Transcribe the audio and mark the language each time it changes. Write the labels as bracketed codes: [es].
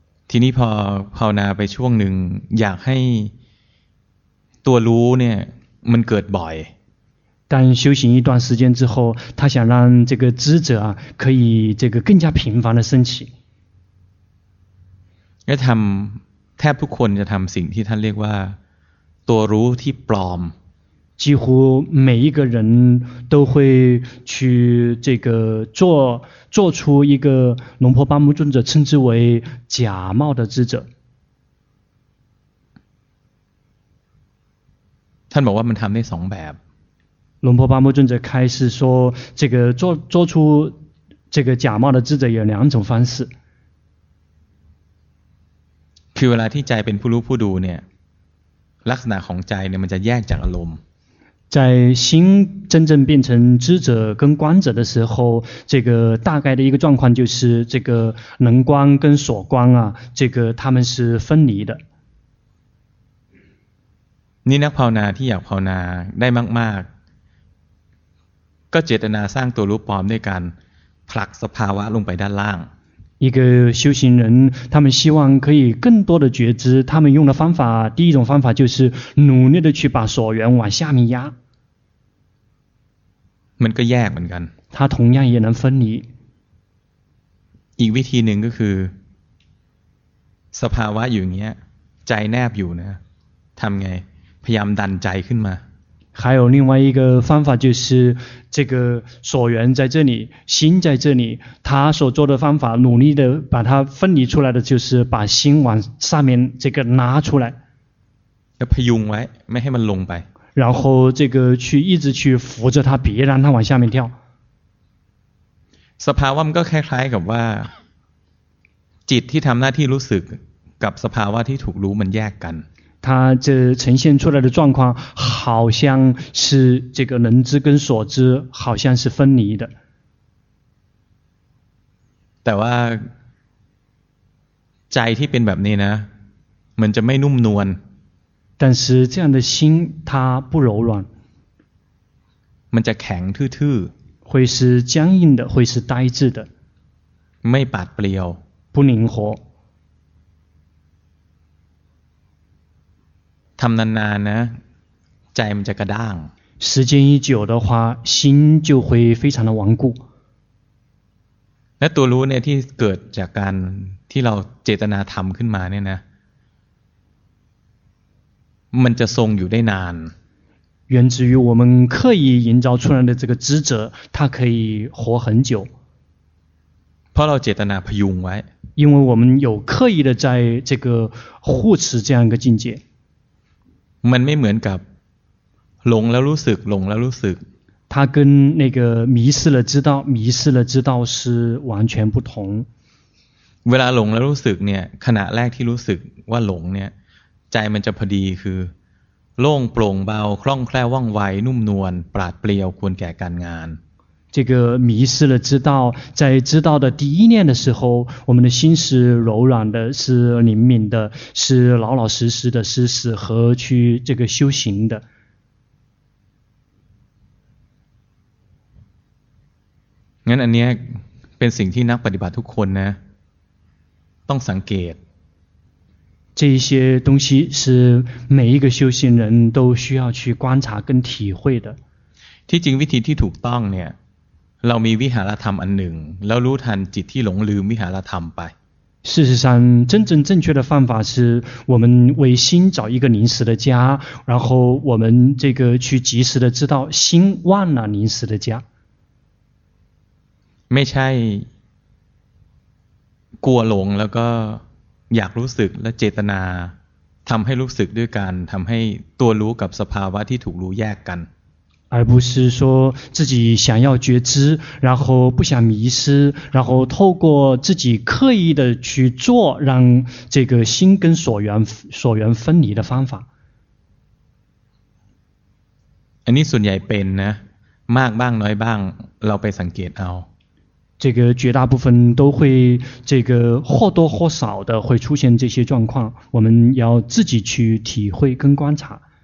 [th] ทีนี้พอภาวนาไปช่วงหนึ่งอยากให้ตัวรู้เนี่ยมันเกิดบ่อย [zh] 但修行一段时间之后他想让这个知者啊可以这个更加频繁的升起 [th] จะทำแทบทุกคนจะทำสิ่งที่ท่านเรียกว่าตัวรู้ที่ปลอม [zh] 几乎每一个人都会去这个做出一个龙婆巴木尊者称之为假冒的知者 [th] ท่านบอกว่ามันทำได้สองแบบ หลวงพ่อปามุจุนจะ [zh] 开始说这个做出这个假冒的智者有两种方式 [th] คือเวลาที่ใจเป็นผู้รู้ผู้ดูเนี่ยลักษณะของใจเนี่ยมันจะแยกจากอารมณ์ [zh] 在心真正变成智者跟观者的时候这个大概的一个状况就是这个能观跟所观啊这个他们是分离的 [th] นี่นักภาวนาที่อยากภาวนาได้มากๆก็เจตนาสร้างตัวรู้ปลอมด้วยการผลักสภาวะลงไปด้านล่าง [zh] 一个修行人他们希望可以更多的觉知他们用的方法第一种方法就是努力的去把所缘往下面压 [th] มันก็แยกเหมือนกัน [zh] 他同样也能分离 [th] อีกวิธีหนึ่งก็คือสภาวะอยู่อย่างเงี้ยใจแนบอยู่นะทำไงพยายามดันใจขึ้นมา [zh] 还有另外一个方法就是这个所缘在这里心在这里他所做的方法努力的把它分离出来的就是把心往上面这个拿出来要 [th] พยุงไว้ไม่ให้มันลงไป [zh] 然后这个去一直去扶着它别让它往下面跳 [th] สภาวะมันก็คล้ายๆกับว่าจิตที่ทำหน้าที่รู้สึกกับสภาวะที่ถูกรู้มันแยกกัน [zh] 它这呈现出来的状况好像是这个能知跟所知好像是分离的 [th] แต่ว่าใจที่เป็นแบบนี้นะมันจะไม่นุ่มนวล [zh] 但是这样的心它不柔软 [th] มันจะแข็งทื่อ [zh] ๆ会是僵硬的会是呆滞的 [th] ไม่ปราดเปรียว [zh] 不灵活 [th] ทำนานๆนะใจมันจะกระด้าง [zh] 时间一久的话心就会非常的顽固 [th] และตัวรู้เนี่ยที่เกิดจากการที่เราเจตนาทำขึ้นมาเนี่ยนะ มันจะทรงอยู่ได้นาน [zh] 源自于我们刻意营造出来的这个执着它可以活很久 [th] เพราะเราเจตนาพยุงไว้ [zh] 因为我们有刻意的在这个护持这样一个境界 [th] มันไม่เหมือนกับหลงแล้วรู้สึกหลงแล้วรู้สึก [zh] 它跟那个迷失了知道迷失了知道是完全不同 [th] เวลาหลงแล้วรู้สึกเนี่ยขณะแรกที่รู้สึกว่าหลงเนี่ยใจมันจะพอดีคือโล่งโปร่งเบาคล่องแคล่วว่องไวนุ่มนวลปราดเปรียวควรแก่การงาน [zh] 这个迷失了知道在知道的第一念的时候我们的心是柔软的是灵敏的是老老实实的是适合去这个修行的 [th] งั้นอันเนี้ยเป็นสิ่งที่นักปฏิบัติทุกคนนะต้องสังเกต [zh] 这些东西是每一个修行人都需要去观察跟体会的 [th] ที่จริงวิธีที่ถูกต้องเนี่ยเรามีวิหารธรรมอันหนึ่งแล้วรู้ทันจิตที่หลงลืมวิหารธรรมไป [zh] 事实上真正正确的方法是我们为心找一个临时的家然后我们这个去及时的知道心忘了临时的家 [th] ไม่ใช่กลัวหลงแล้วก็อยากรู้สึกและเจตนาทำให้รู้สึกด้วยการทำให้ตัวรู้กับสภาวะที่ถูกรู้แยกกัน [zh] 而不是说自己想要觉知然后不想迷失然后透过自己刻意的去做让这个心跟所缘分离的方法 [th] อันนี้ส่วนใหญ่เป็นนะมากบ้างน้อยบ้างเราไปสังเกตเอา [zh] 这个绝大部分都会这个或多或少的会出现这些状况我们要自己去体会跟观察